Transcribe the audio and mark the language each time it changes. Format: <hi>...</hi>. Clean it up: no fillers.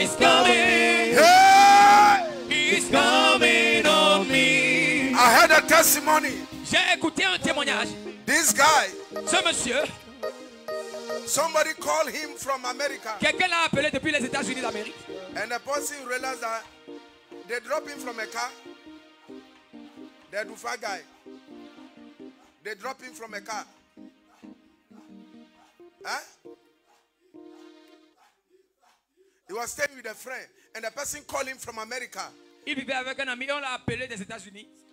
<en>He's coming. Yeah. He's coming on me. I heard a testimony.</en> <fr>J'ai écouté un témoignage.</fr> <en>This guy.</en> <fr>Ce monsieur.</fr> <en>Somebody called him from America.</en> <fr>Quelqu'un l'a appelé depuis les États-Unis d'Amérique.</fr> <en>And the person realized that they dropped him from a car. The Dufa guy. They dropped him from a car. Huh? He was staying with a friend, and the person called him from America.</en> <fr>Il vivait avec un ami, on l'a appelé des États-Unis.</fr>